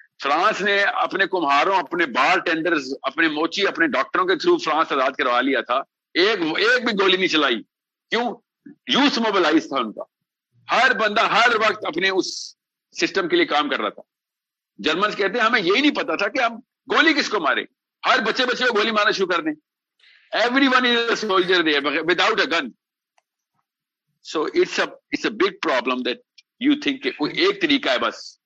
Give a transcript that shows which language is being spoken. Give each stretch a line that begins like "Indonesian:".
Urdu: France نے اپنے کمہاروں, اپنے بار ٹینڈرز, اپنے موچی, اپنے ڈاکٹروں کے تھرو فرانس آزاد کروا لیا تھا, ایک بھی گولی نہیں چلائی. کیوں؟ یوتھ موبلائز تھا ان کا, ہر بندہ ہر وقت اپنے اس سسٹم کے لیے کام کر رہا تھا. جرمنز کہتے ہیں ہمیں یہی نہیں پتا تھا کہ ہم گولی کس کو مارے, ہر بچے کو گولی مارنا شروع کر دیں.
English: Everyone is a soldier there without a gun. So it's a big problem that you think
Urdu: کہ کوئی ایک طریقہ ہے بس.